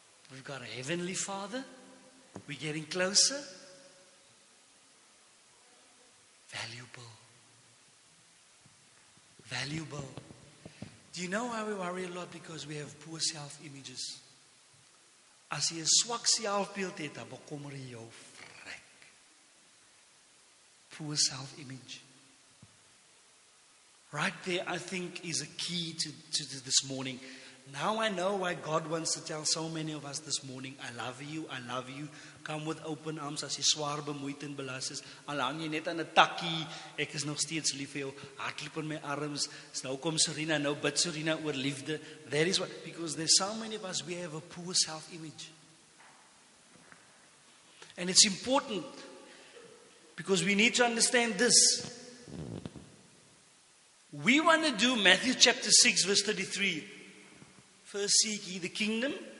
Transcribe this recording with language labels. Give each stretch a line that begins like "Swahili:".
English: We've got a heavenly Father. We're getting closer. Valuable. Valuable. Do you know why we worry a lot? Because we have poor self-images.
Afrikaans: As jy 'n swak selfbeeld het, dan bekommer jy jou vrek.
English: Poor self-image. Right there, I think, is a key to this morning. Now I know why God wants to tell so many of us this morning, I love you, I love you. Come with open arms
Afrikaans: as jy swaar bemoeid en belas is. Al hang jy net aan 'n takkie, ek is nog steeds lief vir jou. Hardloop in my arms. Nou kom Serena, nou bid Serena oor liefde.
English: That is what, because there's so many of us, we have a poor self-image. And it's important, because we need to understand this. We want to do Matthew chapter 6 verse 33. First seek ye the kingdom.